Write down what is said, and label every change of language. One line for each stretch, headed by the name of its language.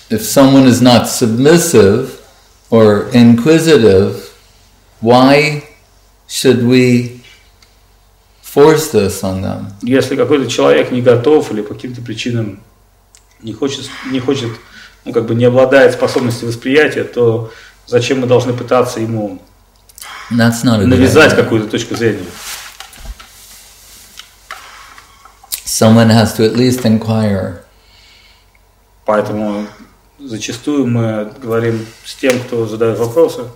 English: If someone is not submissive or inquisitive, why should we force this on them?
Russian: Если какой-то человек не готов или по каким-то причинам не хочет, не обладает способностью восприятия, то зачем мы должны пытаться ему навязать какую-то точку зрения?
English: Someone has to at least inquire.
Russian: Поэтому зачастую мы говорим с тем, кто задает вопросы.